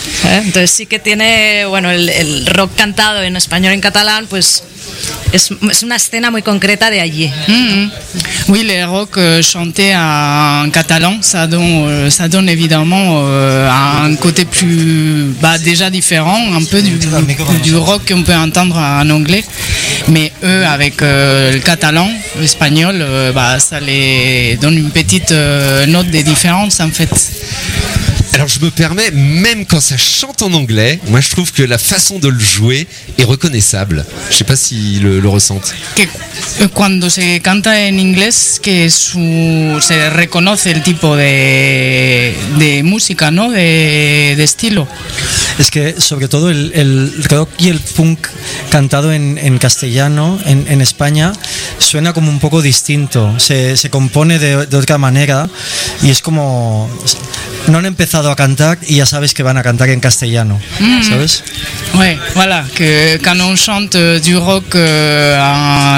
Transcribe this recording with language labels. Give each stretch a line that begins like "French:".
Spanish: Entonces sí que tiene, bueno, el rock cantado en español, en catalán, pues es una escena muy concreta de allí.
French: Oui, le rock chanté en catalan, ça donne évidemment un côté plus déjà différent, un peu du rock qu'on peut entendre en anglais, mais eux avec le catalan, l'espagnol, ça les donne une petite note de différence en fait. Alors je me permets, même quand ça chante en anglais, moi je trouve que la façon de le jouer est reconnaissable. Je sais pas si le ressentent.
Spanish: Que cuando se canta en inglés, que se reconoce el tipo de música, ¿no? De estilo. Es que sobre todo el rock y el punk cantado en castellano en España suena como un poco distinto. Se compone de otra manera y es como no han empezado a cantar y ya sabes que van a cantar en castellano, ¿sabes?
French: Ouais, voilà, que quand on chante du rock en